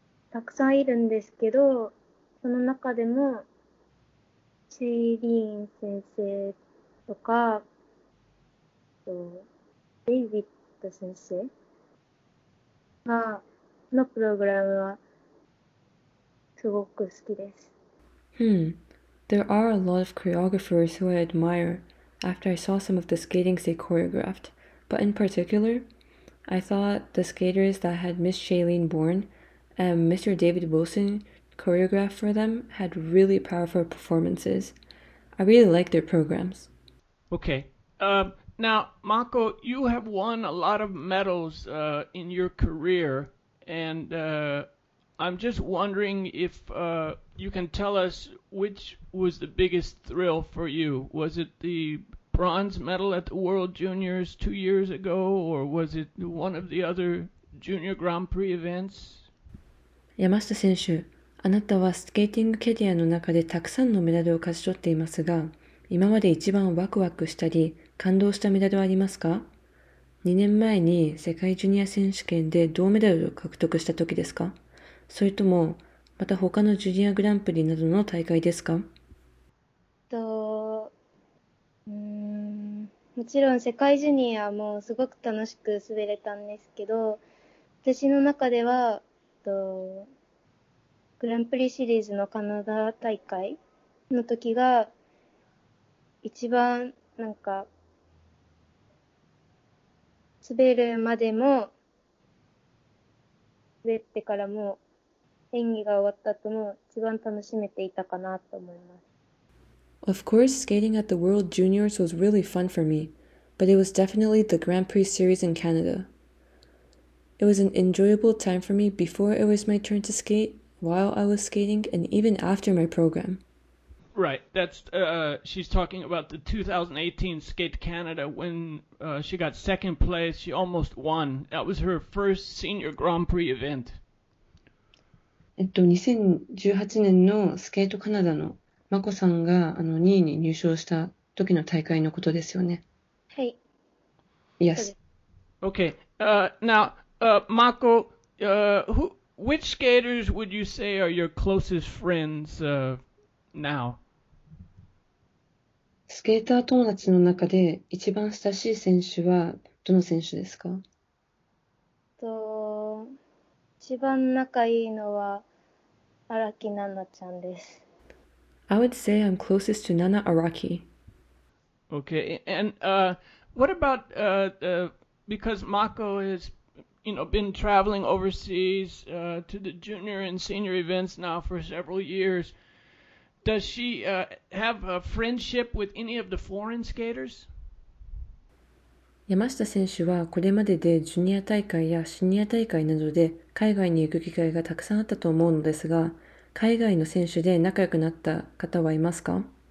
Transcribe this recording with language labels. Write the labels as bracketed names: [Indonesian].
[Japanese] たくさんいるんですけど、その中でもシェイリーン先生とか、デイビッド先生がのプログラムはすごく好きです。 [English] There are a lot of choreographers who I admire after I saw some of the skatings they choreographed. But in particular, I thought the skaters that had Miss Shailene Bourne and Mr. David Wilson choreographed for them had really powerful performances. I really like their programs. Okay. Now, Mako, you have won a lot of medals in your career. And I'm just wondering if you can tell us which was the biggest thrill for you. Was it the bronze medal at the World Juniors 2 years ago, or was it one of the other Junior Grand Prix events? [Japanese] 山下選手、あなたはスケーティングキャリアの中でたくさんのメダルを勝ち取っていますが、今まで一番ワクワクしたり感動したメダルはありますか？ 2年前に世界ジュニア選手権で銅メダルを獲得した時ですか？それとも、また他のジュニアグランプリなどの大会ですか？もちろん世界ジュニアもすごく楽しく滑れたんですけど、私の中では、グランプリシリーズのカナダ大会の時が、一番なんか、滑るまでも、滑ってからも、演技が終わった後も一番楽しめていたかなと思います。 [English] Of course, skating at the World Juniors was really fun for me, but it was definitely the Grand Prix Series in Canada. It was an enjoyable time for me before it was my turn to skate, while I was skating, and even after my program. Right, that's, she's talking about the 2018 Skate Canada when she got second place, she almost won. That was her first senior Grand Prix event. [Japanese] 2018年のスケートカナダの眞子さんが2位に入賞した時の大会のことですよね。そうです。 [English] Yes. Okay. Now, Mako, which skaters would you say are your closest friends, now? [Japanese] スケーター友達の中で一番親しい選手はどの選手ですか？一番仲いいのは荒木奈々ちゃんです。 [English] I would say I'm closest to Nana Araki. Okay, and what about because Mako has, been traveling overseas to the junior and senior events now for several years, does she have a friendship with any of the foreign skaters? [Japanese] 山下選手はこれまででジュニア大会やシニア大会などで海外に行く機会がたくさんあったと思うのですが、海外の選手で仲良くなった方はいますか？